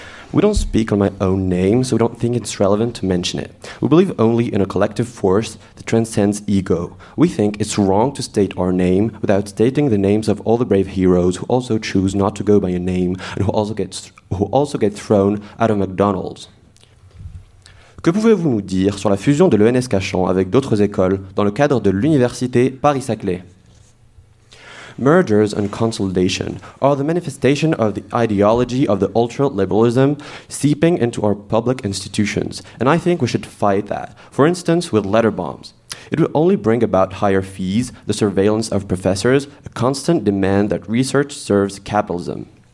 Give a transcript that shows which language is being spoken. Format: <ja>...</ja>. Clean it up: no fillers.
<en>We don't speak on my own name, so we don't think it's relevant to mention it. We believe only in a collective force that transcends ego. We think it's wrong to state our name without stating the names of all the brave heroes who also choose not to go by a name and who also get thrown out of McDonald's.</en> <fr>Que pouvez-vous nous dire sur la fusion de l'ENS Cachan avec d'autres écoles dans le cadre de l'université Paris-Saclay?</fr> <en>Mergers and consolidation are the manifestation of the ideology of the ultra-liberalism seeping into our public institutions, and I think we should fight that, for instance, with letter bombs. It will only bring about higher fees, the surveillance of professors, a constant demand that research serves capitalism.</en>